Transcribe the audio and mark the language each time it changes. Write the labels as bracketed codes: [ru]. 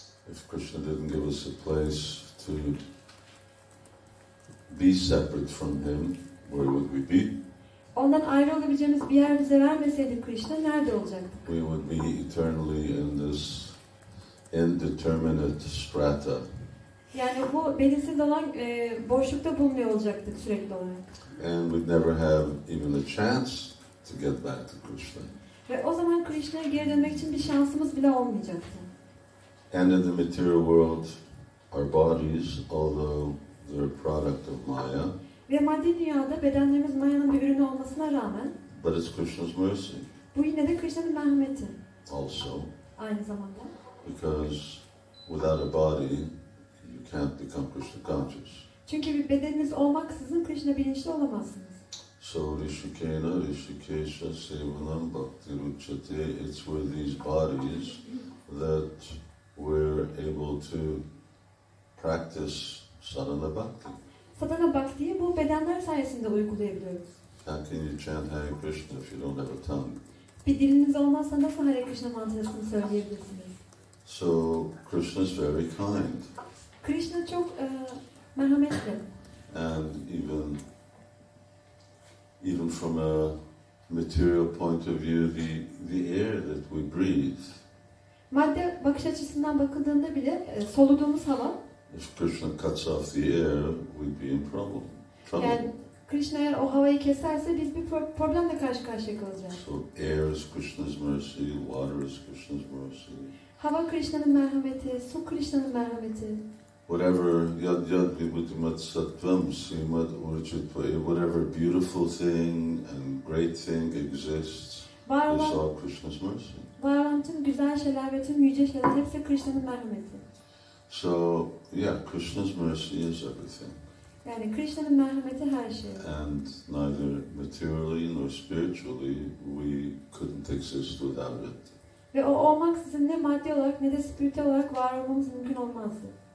[en] If Krishna didn't give us a place to be separate from him, where would we be? [tr] Ondan ayrı olabileceğimiz bir yer bize vermeseydi Krishna, nerede olacaktık? [en] We would be eternally in this indeterminate strata. [tr] Yani bu belirsiz olan boşlukta bulunuyor olacaktık sürekli olarak. [en] And we'd never have even a chance to get back to Krishna. [tr] Ve o zaman Krishna'ya geri dönmek için bir şansımız bile olmayacaktı. [en] And in the material world, our bodies, although they're a product of Maya. [tr] Ve maddi dünyada bedenlerimiz Maya'nın bir ürünü olmasına rağmen. [en] But it's Krishna's mercy. [tr] Bu yine de Krishna'nın merhameti. [en] Also. [tr] Aynı zamanda. [en] Because without a body, you can't become Krishna conscious. [tr] Çünkü bir bedeniniz olmaksızın Krishna bilinçli olamazsınız. [en] So [sa] Rishikena, Rishikesha, Sevanam, Bhakti, Ruchate, [en] it's with these bodies that we're able to practice Sadhana Bhakti. [tr] Sadhana Bhakti'yi bu bedenler sayesinde uygulayabiliyoruz. [en] How can you chant Hare Krishna if you don't have a tongue? [tr] Bir diliniz olmazsa nasıl Hare Krishna mantrasını söyleyebilirsiniz? [en] So Krishna's very kind. [tr] Krishna çok merhametli. [en] And even from a material point of view, the air that we breathe. [tr] Madde bakış açısından bakıldığında bile soluduğumuz hava. [en] If Krishna cuts off the air, we'd be in trouble. [tr] Yani Krishna eğer o havayı keserse biz bir problemle karşı karşıya kalacağız. [en] So air is Krishna's mercy, water is Krishna's mercy. [tr] Hava Krishna'nın merhameti, su Krishna'nın merhameti. [en] Whatever [sa] yad yad vibhutimat sattvam simat urchitva, [en] whatever beautiful thing and great thing exists, it's all Krishna's mercy. [tr] Var olan tüm güzel şeyler ve tüm yüce şeyler hepsi Krishna'nın merhameti. [en] So yeah, Krishna's mercy is everything. [tr] Yani Krishna'nın merhameti her şey. [en] And neither materially nor spiritually we couldn't exist without it. [tr] Ve o olmaksızın ne maddi olarak ne de spiritüel olarak var olmamız mümkün olmazdı.